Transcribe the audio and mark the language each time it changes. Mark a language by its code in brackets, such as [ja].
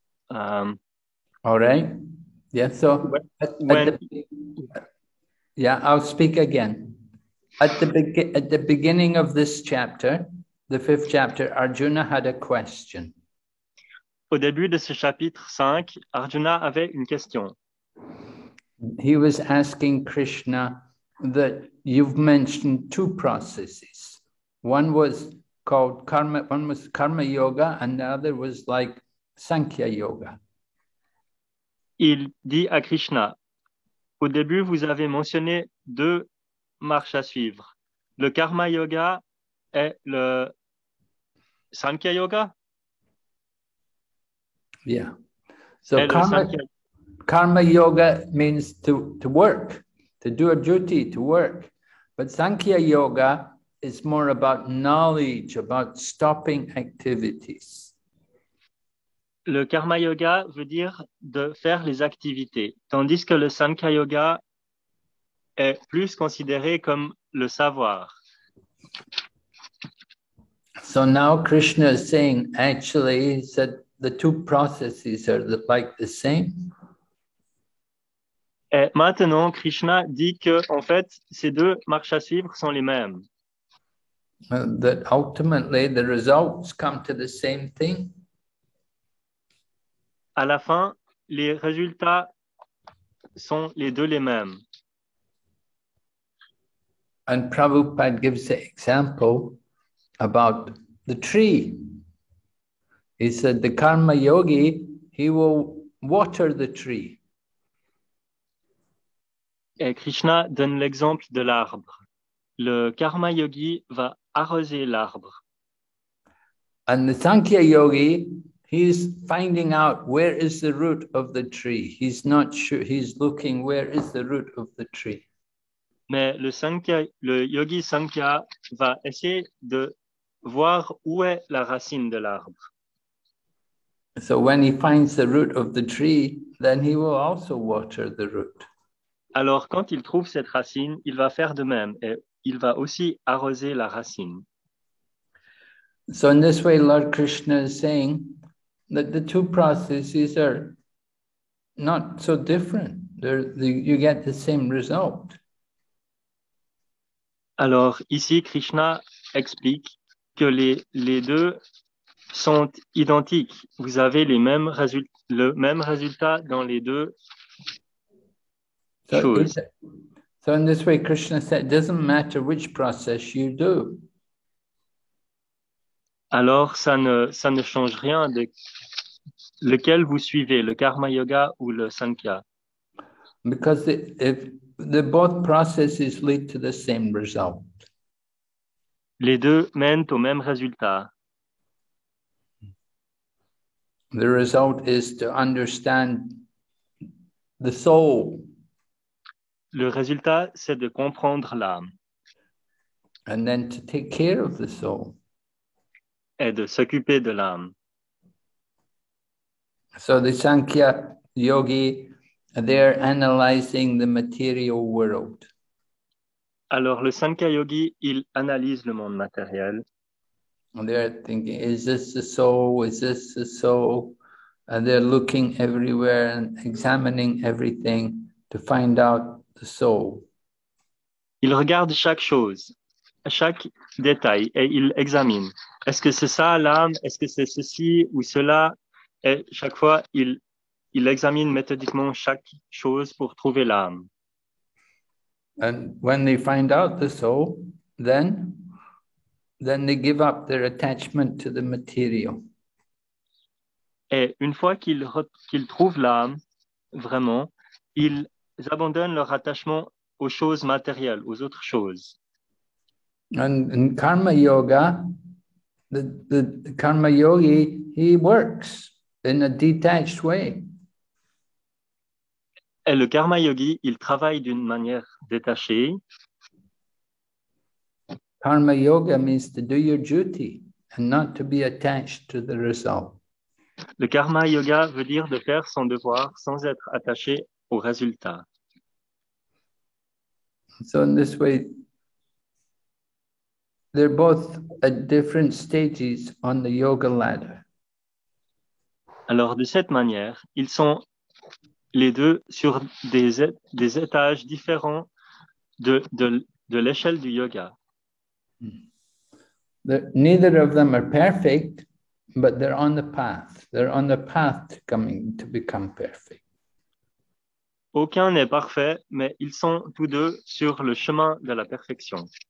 [en] All right. Yeah, so... I'll speak again. At the beginning of this chapter... The fifth chapter, Arjuna had a question. [fr] Au début de ce chapitre 5, Arjuna avait une question. [en] He was asking Krishna that you've mentioned two processes. One was called karma, one was karma yoga, and the other was like Sankhya yoga. [fr] Il dit à Krishna, au début vous avez mentionné deux marches à suivre. Le karma yoga est le Sankhya yoga? [en] Yeah. So karma yoga means to work, to do a duty, to work. But Sankhya yoga is more about knowledge, about stopping activities. [fr] Le karma yoga veut dire de faire les activités, tandis que le Sankhya yoga est plus considéré comme le savoir. [en] So now Krishna is saying, actually, he said the two processes are like the same. [fr] Et maintenant, Krishna dit que, en fait, ces deux marches à suivre sont les mêmes. [en] That ultimately, the results come to the same thing. [fr] À la fin, les résultats sont les deux les mêmes. [en] And Prabhupada gives the example about the tree. He said the karma yogi, he will water the tree. [fr] Et Krishna donne l'exemple de l'arbre. Le karma yogi va arroser l'arbre. [en] And the Sankhya yogi, He's finding out where is the root of the tree. He's not sure. He's looking where is the root of the tree. [fr] Mais le yogi Sankhya va essayer de voir où est la racine de l'arbre. [en] So when he finds the root of the tree, then he will also water the root. [fr] Alors quand il trouve cette racine, il va faire de même et il va aussi arroser la racine. [en] So in this way, Lord Krishna is saying that the two processes are not so different. You get the same result. [fr] Alors ici, Krishna explique que les deux sont identiques. Vous avez le même résultat dans les deux choses. [en] So in this way, Krishna said, it doesn't matter which process you do. [fr] Alors ça ne change rien de lequel vous suivez, le karma yoga ou le sankhya. [en] Because if both processes lead to the same result. [fr] Les deux mènent au même résultat. [en] The result is to understand the soul. [fr] Le résultat, c'est de comprendre l'âme. [en] And then to take care of the soul. [fr] Et de s'occuper de l'âme. [en] So the Sankhya yogi, they're analyzing the material world. [fr] Alors, le Sankhya yogi, il analyse le monde matériel. [en] And they're thinking, is this the soul? Is this the soul? And they're looking everywhere and examining everything to find out the soul. [fr] Il regarde chaque chose, chaque détail, et il examine. Est-ce que c'est ça l'âme? Est-ce que c'est ceci ou cela? Et chaque fois, il examine méthodiquement chaque chose pour trouver l'âme. [en] And when they find out the soul, then they give up their attachment to the material. [fr] Et une fois qu'ils trouvent l'âme, vraiment, ils abandonnent leur attachement aux choses matérielles, aux autres choses. [en] And in karma yoga, the karma yogi, he works in a detached way. [fr] Et le karma yogi, il travaille d'une manière détachée. [en] Karma yoga means to do your duty and not to be attached to the result. [fr] Le karma yoga veut dire de faire son devoir sans être attaché au résultat. [en] So in this way, they're both at different stages on the yoga ladder. [fr] Alors de cette manière, ils sont les deux sur des étages différents de l'échelle du yoga. [en] Neither of them are perfect, but they're on the path. They're on the path to become perfect. [fr] Aucun n'est parfait, mais ils sont tous deux sur le chemin de la perfection.